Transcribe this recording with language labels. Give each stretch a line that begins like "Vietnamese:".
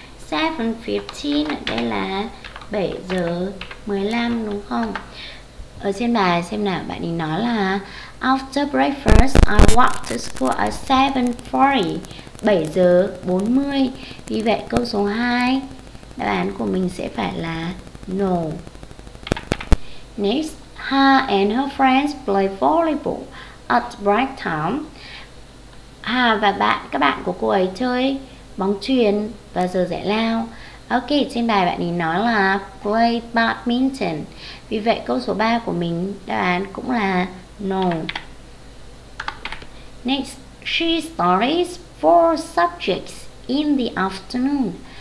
Vietnamese: 7:15 đây là 7:15 đúng không? Ở trên bài xem nào, bạn ấy nói là
English: after breakfast I walk to school at 7:40.
Vietnamese: 7:40. Vì vậy câu số 2 đáp án của mình sẽ phải là no.
English: Next, Ha and her friends play volleyball at break time.
Vietnamese: Ha và bạn, các bạn của cô ấy chơi bóng chuyền vào giờ giải lao. Ok, trên bài bạn ấy nói là
English: play badminton.
Vietnamese: Vì vậy câu số 3 của mình đáp án cũng là no.
English: Next, she studies 4 subjects in the afternoon.